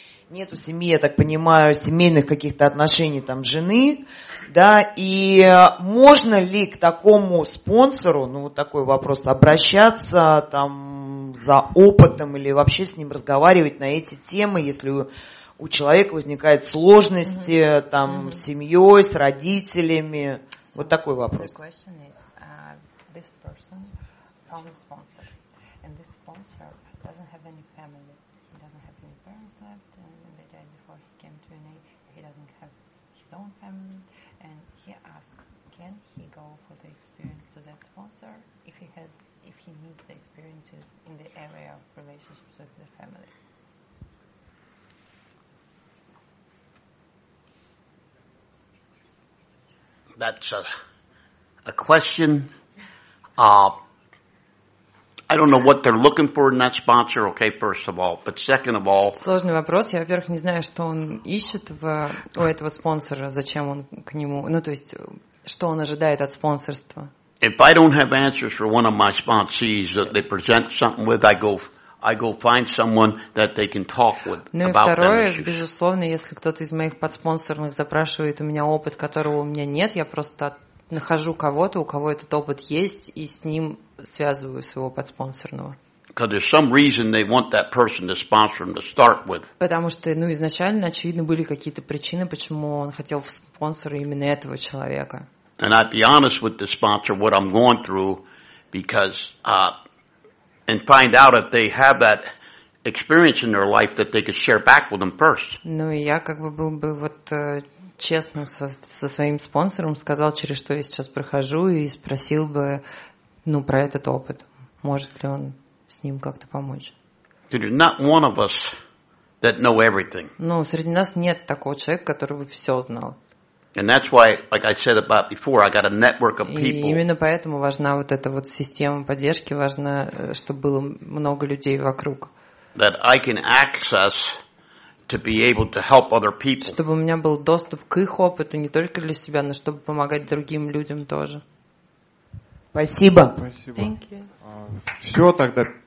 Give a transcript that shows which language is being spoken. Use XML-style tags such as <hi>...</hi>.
<ru>Нету семьи, я так понимаю, семейных каких-то отношений там жены, да, и можно ли к такому спонсору, ну вот такой вопрос, обращаться там за опытом или вообще с ним разговаривать на эти темы, если у человека возникают сложности там с семьей, с родителями. Вот такой вопрос.</ru> <en>The question is, this person found a sponsor. and this sponsor doesn't have any family. He doesn't have any parents left, and the day before he came to NA, he doesn't have his own family. And he asked, can he go for the experience to that sponsor if he has, if he needs the experiences in the area of relationships with the family? That's a question. I don't know what they're looking for in that sponsor, okay, first of all. But second of all...</en> <ru>Сложный вопрос. Я, во-первых, не знаю, что он ищет у этого спонсора, зачем он к нему... Ну, то есть, что он ожидает от спонсорства.</ru> <en>If I don't have answers for one of my sponsees that they present something with, I go find someone that they can talk with about that. Ну,</en> <ru>второе, безусловно, если кто-то из моих подспонсорных запрашивает у меня опыт, которого у меня нет, я просто нахожу кого-то, у кого этот опыт есть, и с ним связываю своего подспонсорного.</ru> <en>Because there's some reason they want that person to sponsor them to start with.</en> <ru>Потому что, ну, изначально очевидно были какие-то причины, почему он хотел в спонсоры именно этого человека.</ru> <en>And I'd be honest with the sponsor what I'm going through, because and find out if they have that experience in their life that they could share back with them first.</en> <ru>Ну, я как бы был бы вот честным со своим спонсором, сказал, через что я сейчас прохожу, и спросил бы, ну, про этот опыт. Может ли он с ним как-то помочь?</ru> <en>Dude, not one of us that know everything.</en> <ru>Ну, среди нас нет такого человека, который бы все знал.</ru> <en>And that's why, like I said about before, I got a network of people.</en> <ru>И именно поэтому важна вот эта вот система поддержки, важно, чтобы было много людей вокруг.</ru> <en>That I can access to be able to help other people.</en> <ru>Чтобы у меня был доступ к их опыту не только для себя, но чтобы помогать другим людям тоже. Спасибо. Спасибо.</ru> <en>Thank you.</en> <ru>Все тогда.</ru>